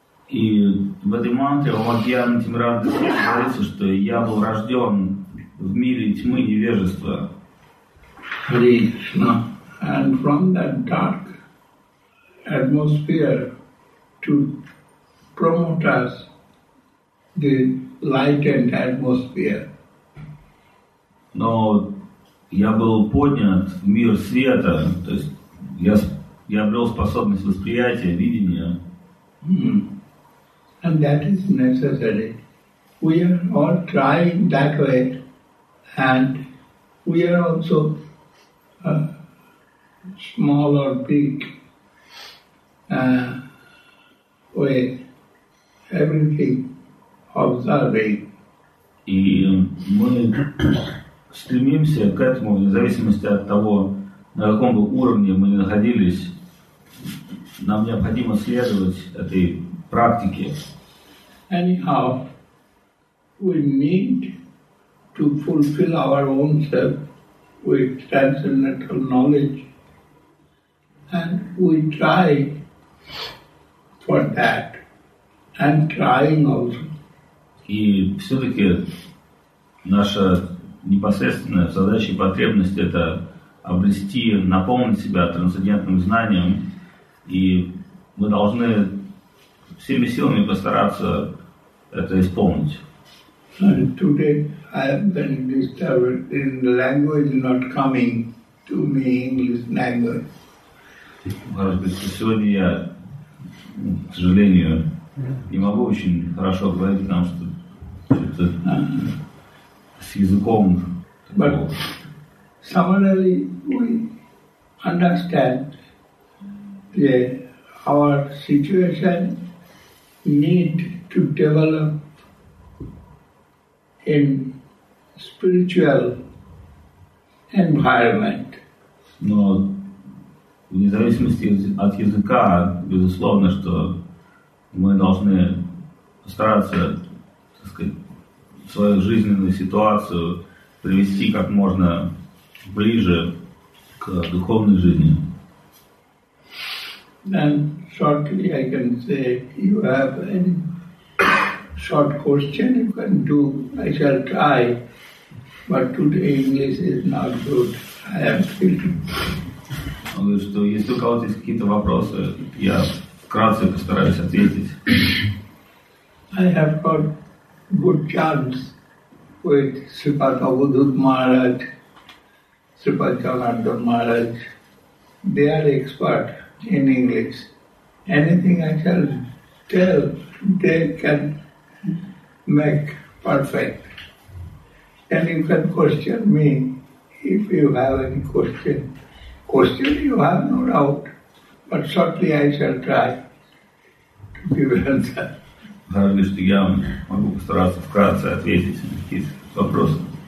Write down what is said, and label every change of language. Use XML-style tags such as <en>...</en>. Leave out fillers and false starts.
<ru>И в этой мантре о Макьяна Тимиранте говорится, что я был рожден в мире тьмы невежества.</ru> <en>Krishna. And from that dark atmosphere to promote us the lightened atmosphere.</en> <ru>Но я был поднят в мир света, то есть я обрел способность восприятия, видения.</ru> <en>And that is necessary. We are all trying that way, and we are also small or big way, everything observing.</en> <ru>И мы стремимся к этому, в зависимости от того, на каком бы уровне мы находились, нам необходимо следовать этой практике.</ru> <en>Anyhow, we need to fulfill our own self with transcendental knowledge, and we try for that, and trying also.</en> <ru>И все-таки наша непосредственная задача и потребность — это обрести, наполнить себя трансцендентным знанием, и мы должны всеми силами постараться это исполнить.</ru> <en>And today I have been disturbed in the language not coming to me, English language.</en> <ru>Может быть, сегодня я, к сожалению, не могу очень хорошо говорить, потому что это с языком.</ru> <en>But summarily, we understand that our situation need to develop in spiritual environment.</en> <ru>Но вне зависимости от языка, безусловно, что мы должны стараться, так сказать, свою жизненную ситуацию привести как можно ближе к духовной жизни.</ru> <en>And shortly I can say, if you have any short question you can do, I shall try, but today English is not good, I am feeling.</en> <ru>Он говорит, что если у кого-то есть какие-то вопросы, я вкратце постараюсь ответить.</ru> <en>I have got good chance with Sripada Budhut Maharaj, Sripada Chalanda Maharaj. They are expert in English. Anything I shall tell, they can make perfect. And you can question me if you have any question. Question you have no doubt, but shortly I shall try to give an answer.</en> <ru>Разве что я могу постараться вкратце ответить на какие-то вопросы.</ru>